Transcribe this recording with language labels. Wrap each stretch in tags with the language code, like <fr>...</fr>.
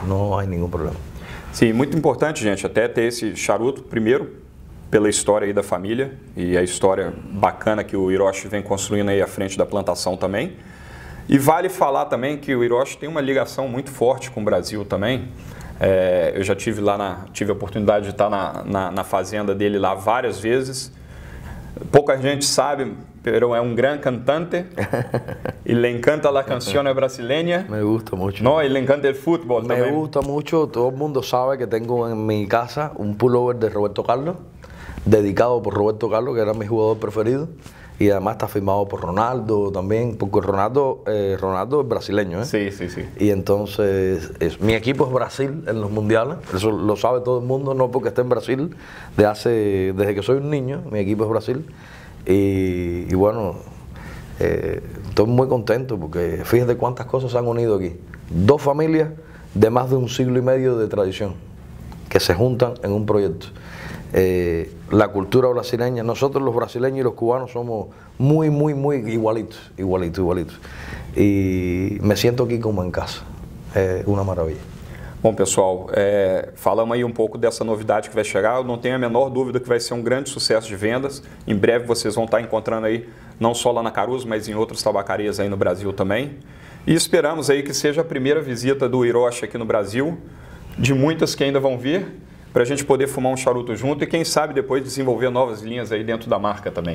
<es>No hay ningún problema. Sí, muy importante, gente, até ter ese charuto, primero, pela historia ahí de la familia y la historia bacana que o Hiroshi vem construyendo ahí a frente de la plantación también. Y vale falar también que o Hiroshi tiene una ligación muy fuerte con Brasil también.</es> <pt>Eu já tive a oportunidade de estar na fazenda dele lá várias vezes. Pouca gente sabe, pero é um grande cantante. Ele encanta a canção brasileira.</pt> <es>Me gusta muito.</es> <pt>Não, ele encanta o futebol também.</pt> <es>Me gusta muito.</es> <pt>Todo mundo sabe que tenho em minha casa um pullover de Roberto Carlos, dedicado por Roberto Carlos, que era meu jogador preferido.</pt> <es>Y además está firmado por Ronaldo también, porque Ronaldo es brasileño, ¿eh? Sí, sí, sí. Y entonces, mi equipo es Brasil en los mundiales, eso lo sabe todo el mundo, no porque esté en Brasil, desde que soy un niño, mi equipo es Brasil. Y bueno, estoy muy contento porque fíjate cuántas cosas se han unido aquí. Dos familias de más de un siglo y medio de tradición, que se juntan en un proyecto. La cultura brasileña, nosotros los brasileños y los cubanos somos muy, muy, muy igualitos. Y me siento aquí como en casa. Una maravilla.</es> <pt>Bom, pessoal, falamos aí um pouco dessa novidade que vai chegar. Eu não tenho a menor dúvida que vai ser um grande sucesso de vendas. Em breve vocês vão estar encontrando aí, não só lá na Caruso, mas em outras tabacarias aí no Brasil também. E esperamos aí que seja a primeira visita do Hiroshi aqui no Brasil, de muitas que ainda vão vir, para a gente poder fumar um charuto junto e quem sabe depois desenvolver novas linhas aí dentro da marca também.</pt>